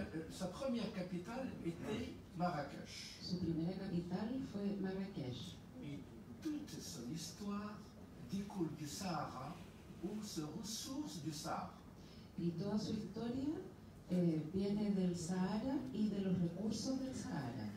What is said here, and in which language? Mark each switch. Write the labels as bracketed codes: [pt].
[fr] Sa première capitale était Marrakech. [es] Su primera capital fue Marrakech. [fr] Et toute son histoire découle du Sahara, ou se ressource du Sahara. [es] Y toda su historia viene del Sahara y de los recursos del Sahara.